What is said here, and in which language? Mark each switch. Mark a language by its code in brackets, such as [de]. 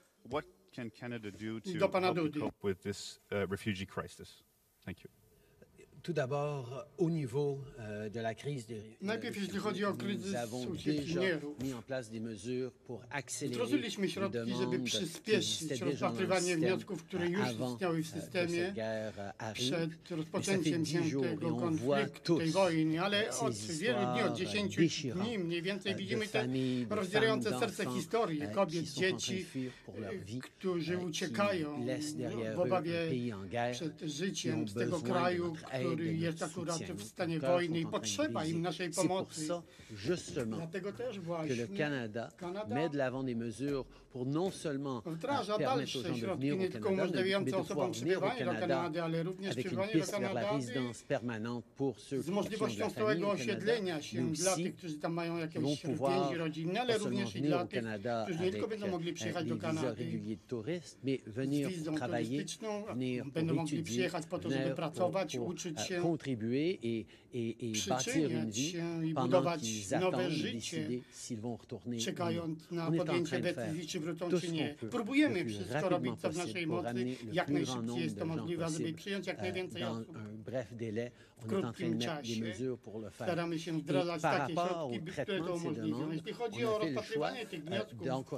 [en] What can Canada do to cope with this refugee crisis? Thank you. [fr] Tout d'abord, au niveau de la crise des réfugiés, nous avons déjà mis en place des mesures pour accélérer les demandes qui existaient déjà dans le système avant que cette guerre arrive. Mais ça fait 10 jours et on voit tous ces histoires déchirantes de familles, de femmes, d'enfants qui sont en train de fuir pour leur vie, qui laissent derrière eux un pays en guerre, qui ont besoin de notre aide. [pl] Który jest akurat w stanie wojny i potrzeba im naszej pomocy. Dlatego też właśnie [fr] Kanada met de l'avant des mesures pour non seulement permettre aux gens de venir au Canada, mais de pouvoir venir au Canada avec une piste vers la résidence permanente pour ceux qui ont de la famille au Canada, mais aussi vont pouvoir pas seulement venir au Canada avec des visas réguliers de touristes, mais venir travailler, venir étudier, venir pour contribuer et bâtir une vie pendant qu'ils attendent de décider s'ils vont retourner. On est en train de faire tout ce qu'on peut, [pl] próbujemy wszystko [fr] rapidement [pl] robić, co w naszej mocy, jak najszybciej jest to możliwe, aby przyjąć jak najwięcej osób. W krótkim czasie staramy się wdrażać takie środki, które to umożliwią. Jeśli chodzi o rozpatrywanie tych wniosków,